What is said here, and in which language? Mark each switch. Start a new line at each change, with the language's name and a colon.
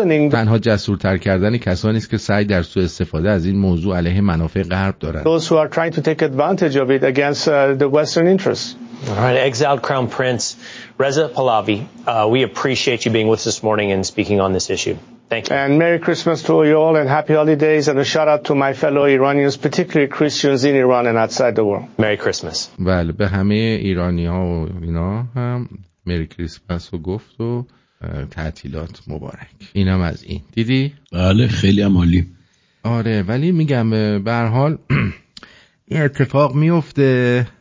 Persian: تنها جسورتر کردن کسانی است که سعی در سوء استفاده از این موضوع علیه منافع غرب دارند.
English: Those who are trying to take advantage of it against the Western interests. All right, exiled Crown Prince Reza Pahlavi, we appreciate you being with us this morning and speaking on this issue. Thank you. And Merry Christmas to you all and happy holidays and a shout out to my fellow Iranians, particularly Christians in Iran and outside the world. Merry Christmas.
Persian: بله به همه ایرانی‌ها و اینا هم
English: Merry Christmas
Persian: و گفت و تعطیلات مبارک. اینم از این. دیدی؟ بله خیلی عالی. آره ولی میگم به هر حال این اتفاق میفته.